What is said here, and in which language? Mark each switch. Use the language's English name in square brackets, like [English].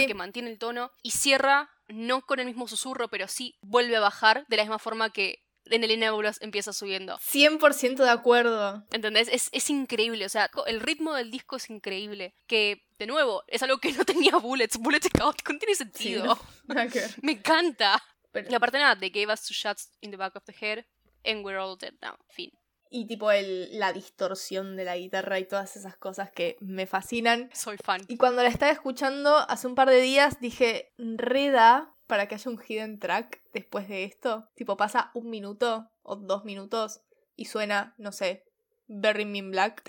[Spanish] Porque mantiene el tono y cierra, no con el mismo susurro, pero sí vuelve a bajar de la misma forma que en el Inébulos empieza subiendo. 100% de acuerdo. ¿Entendés? Es increíble. O sea, el ritmo del disco es increíble. Que, de nuevo, es algo que no tenía Bullets. Bullets caótico no tiene sentido. Sí, no. Me encanta. Pero... y aparte nada, [English] they gave us two shots in the back of the head and we're all dead now. [Spanish] Fin. Y tipo la distorsión de la guitarra y todas esas cosas que me fascinan. Soy fan. Y cuando la estaba escuchando hace un par de días, dije, reda para que haya un hidden track después de esto. Tipo, pasa un minuto o dos minutos y suena, no sé, Bury Me in Black.